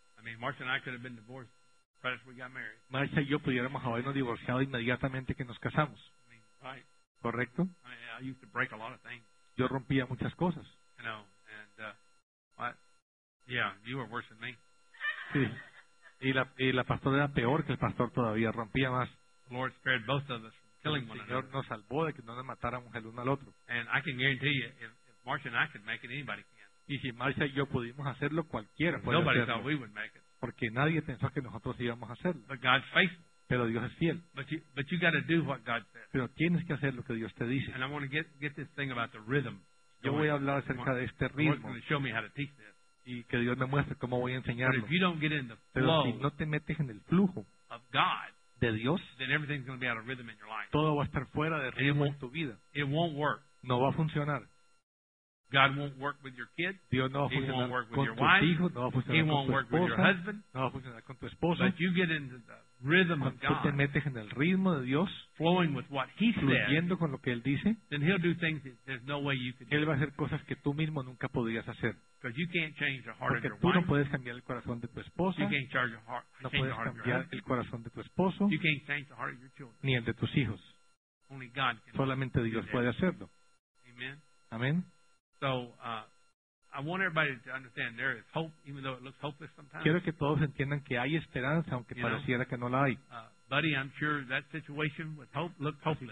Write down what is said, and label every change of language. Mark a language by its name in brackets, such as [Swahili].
[English] I mean, Marcia and I could have been divorced right after we got married. [Spanish] Marcia y yo pudiéramos habernos divorciado inmediatamente que nos casamos. [English] I mean, right. [Spanish] Correcto. [English] I mean, I used to break a lot of things. [Spanish] Yo rompía muchas cosas. [English] You know, and what? Yeah, you were worse than me. [Spanish] Sí. Y la pastora era peor que el pastor todavía, rompía más. [English] The Lord spared both of us from killing one another. [Spanish] El Señor nos salvó de que no nos matáramos el uno al otro. [English] And I can guarantee you, if Marcia and I could make it, anybody can. [Spanish] Y si Marcia y yo pudimos hacerlo, cualquiera puede [English] nobody [Spanish] hacerlo. [English] Thought we would make it. [Spanish] Porque nadie pensó que nosotros íbamos a hacerlo. [English] But God's faithful. [Spanish] Pero Dios es fiel. [English] But you got to do what God says. [Spanish] Pero tienes que hacer lo que Dios te dice. [English] And I want to get this thing about the rhythm. [Spanish] Yo voy a hablar acerca de este ritmo. [English] The Lord's going to show me how to teach this. [Spanish] Y que Dios me muestre cómo voy a enseñarlo. [English] But if you don't get in the flow, [Spanish] pero si no te metes en el flujo [English] of God, [Spanish] de Dios, [English] then everything's going to be out of rhythm in your life. [Spanish] Todo va a estar fuera de ritmo en tu vida. [English] It won't work. [Spanish] No va a funcionar. [English] God won't work with your kids. [Spanish] Dios no va a funcionar. [English] He won't work with [Spanish] con [English] your wife. [Spanish] Hijo, no va a funcionar. [English] He won't work with your husband. [Spanish] No va a funcionar con tu esposa. [English] But you get into the rhythm of God. [Spanish] Te metes en el ritmo de Dios, [English] flowing with what he says. [Spanish] Con lo que él dice, [English] then he'll do things that there's no way you can do. [Spanish] Él va a hacer cosas que tú mismo nunca podrías hacer. [English] Because you can't change the heart [Spanish] porque [English] of your wife. [Spanish] Tú no puedes cambiar el corazón de tu esposa. [English] You can't change the heart, [Spanish] no puedes cambiar el corazón de tu esposo. [English] You can't change the heart of your children. [Spanish] Ni el de tus hijos. [English] Only God can. [Spanish] Solamente [English] do [Spanish] Dios puede hacerlo. [English] Amen. [Spanish] Amén. [English] So I want everybody to understand there is hope, even though it looks hopeless sometimes. [Spanish] Quiero que todos entiendan que hay esperanza, aunque pareciera que no la hay. [English] Buddy, I'm sure that situation with hope looked hopeless.